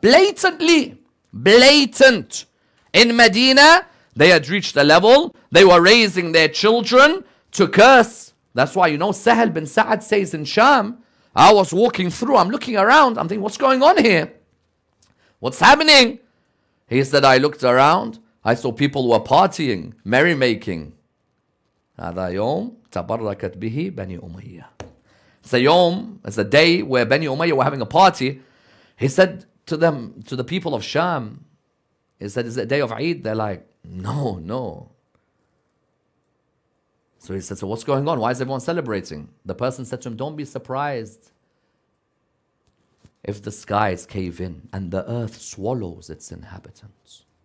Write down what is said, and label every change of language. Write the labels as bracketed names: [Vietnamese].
[English] Blatantly, blatant. In Medina, they had reached a level, they were raising their children to curse. That's why, you know, Sahal bin Sa'ad says in Sham, I was walking through, I'm looking around, I'm thinking, what's going on here? What's happening? He said, I looked around, I saw people were partying, merrymaking. [Arabic] هذا يوم تبركت به بني أمية. [English] It's a yom, it's a day where Bani Umayya were having a party. He said to them, to the people of Sham, he said, is it a day of Eid? They're like, no, no. So he said, so what's going on? Why is everyone celebrating? The person said to him, don't be surprised if the skies cave in and the earth swallows its inhabitants.